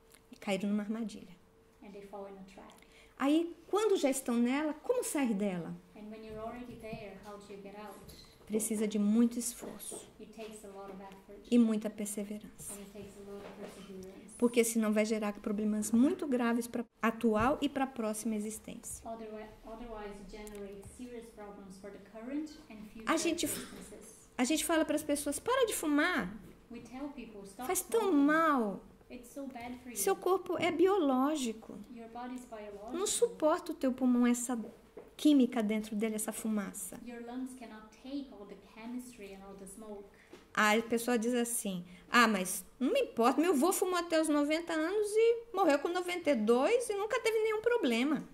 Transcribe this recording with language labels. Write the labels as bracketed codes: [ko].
[pt] E caíram numa armadilha. [en] And they fall in a trap. [pt] Aí, quando já estão nela, como sair dela? [en] And when you're already there, how do you get out? [pt] Precisa de muito esforço. [en] It takes a lot of effort. [pt] E muita perseverança. [en] And it takes a lot of perseverance. [pt] Porque senão vai gerar problemas muito graves para a atual e para a próxima existência. [en] Otherwise, it generates serious problems for the current and future [pt] A gente fala para as pessoas, para de fumar. [en] We tell people, stop [pt] Faz [en] smoking. [pt] Tão mal. [en] It's so bad for you. [pt] Seu corpo é biológico. [en] Your body's biological. [pt] Não suporta o teu pulmão essa química dentro dele, essa fumaça. [en] Your lungs cannot take all the chemistry and all the smoke. [pt] Aí a pessoa diz assim, ah, mas não me importa, meu avô fumou até os 90 anos e morreu com 92 e nunca teve nenhum problema.